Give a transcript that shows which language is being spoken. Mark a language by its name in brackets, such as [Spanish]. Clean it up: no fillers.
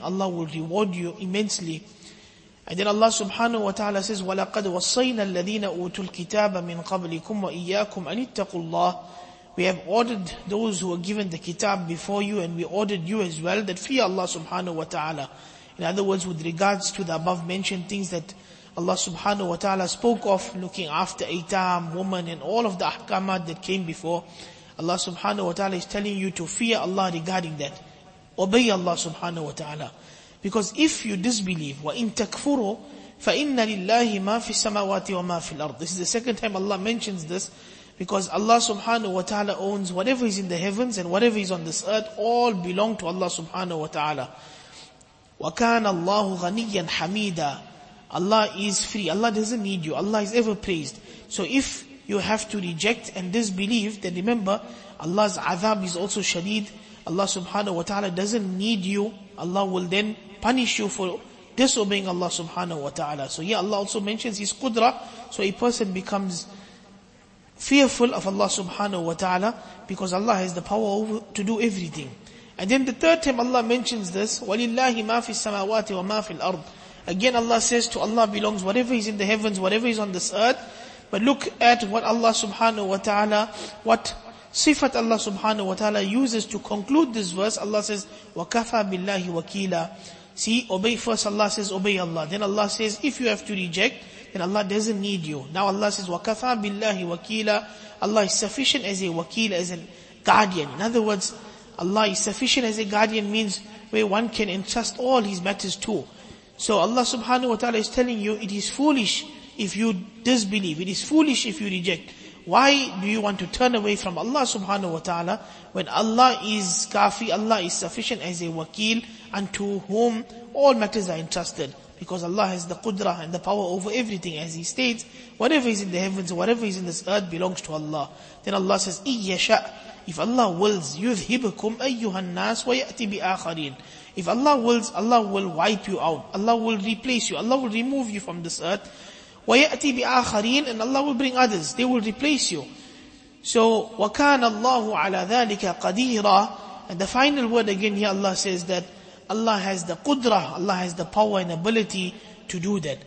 [English] Allah will reward you immensely. And then Allah subhanahu wa ta'ala says, [Arabic] وَلَقَدْ وَصَّيْنَا الَّذِينَ أُوتُوا الْكِتَابَ مِنْ قَبْلِكُمْ وَإِيَّاكُمْ أَنِ اتَّقُوا اللَّهِ. [English] We have ordered those who were given the kitab before you, and we ordered you as well, that fear Allah subhanahu wa ta'ala. In other words, with regards to the above mentioned things that Allah subhanahu wa ta'ala spoke of, looking after aitam, woman, and all of the ahkamat that came before, Allah subhanahu wa ta'ala is telling you to fear Allah regarding that. Obey Allah subhanahu wa ta'ala. Because if you disbelieve, [Arabic] وَإِن تَكْفُرُوا فَإِنَّ لِلَّهِ مَا فِي السَّمَوَاتِ وَمَا فِي الْأَرْضِ. [English] This is the second time Allah mentions this, because Allah subhanahu wa ta'ala owns whatever is in the heavens and whatever is on this earth, all belong to Allah subhanahu wa ta'ala. [Arabic] وَكَانَ اللَّهُ غَنِيًّا حَمِيدًا. [English] Allah is free. Allah doesn't need you. Allah is ever praised. So if you have to reject and disbelieve, then remember, Allah's azab is also shadeed. Allah subhanahu wa ta'ala doesn't need you. Allah will then punish you for disobeying Allah subhanahu wa ta'ala. So here Allah also mentions His qudra. So a person becomes fearful of Allah subhanahu wa ta'ala, because Allah has the power to do everything. And then the third time Allah mentions this, [Arabic] وَلِلَّهِ مَا فِي السَّمَوَاتِ وَمَا فِي الْأَرْضِ. [English] Again, Allah says to Allah belongs whatever is in the heavens, whatever is on this earth. But look at what Allah subhanahu wa ta'ala, what sifat Allah subhanahu wa ta'ala uses to conclude this verse. Allah says, [Arabic] وَكَفَى بِاللَّهِ وَكِيلًا. [English] See, obey first. Allah says, obey Allah. Then Allah says, if you have to reject, then Allah doesn't need you. Now Allah says, [Arabic] وَكَفَى بِاللَّهِ وَكِيلًا. [English] Allah is sufficient as a wakil, as a guardian. In other words, Allah is sufficient as a guardian means where one can entrust all his matters to. So Allah subhanahu wa ta'ala is telling you, it is foolish if you disbelieve. It is foolish if you reject. Why do you want to turn away from Allah subhanahu wa ta'ala when Allah is kafi, Allah is sufficient as a wakil unto whom all matters are entrusted? Because Allah has the qudra and the power over everything, as He states, whatever is in the heavens, whatever is in this earth belongs to Allah. Then Allah says, [Arabic] إِيَّشَأْ. [English] If Allah wills, [Arabic] يُذْهِبْكُمْ أَيُّهَا النَّاسُ وَيَأْتِ بِآخَرِينَ. [English] If Allah wills, Allah will wipe you out. Allah will replace you. Allah will remove you from this earth. [Arabic] وَيَأْتِ بِآخَرِينَ. [English] And Allah will bring others. They will replace you. So, [Arabic] وَكَانَ اللَّهُ عَلَى ذَلِكَ قَدِيرًا. [English] And the final word again here, Allah says that Allah has the qudra, Allah has the power and ability to do that.